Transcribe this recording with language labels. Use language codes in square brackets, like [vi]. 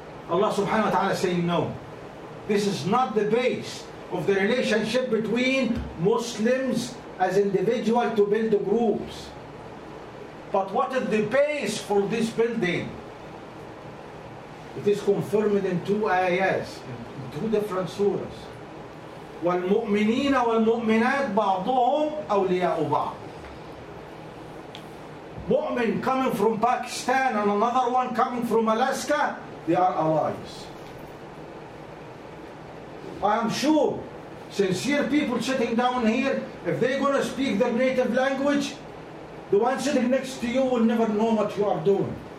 [en] Allah subhanahu wa ta'ala saying no. This is not the base of the relationship between Muslims as individuals to build the groups. But what is the base for this building? It is confirmed in two ayahs, in two different surahs. [ar] والمؤمنين والمؤمنات بعضهم أولياء بعض. [en] Mu'min coming from Pakistan and another one coming from Alaska, they are allies. I am sure sincere people sitting down here, if they're going to speak their native language, the one sitting next to you will never know what you are doing.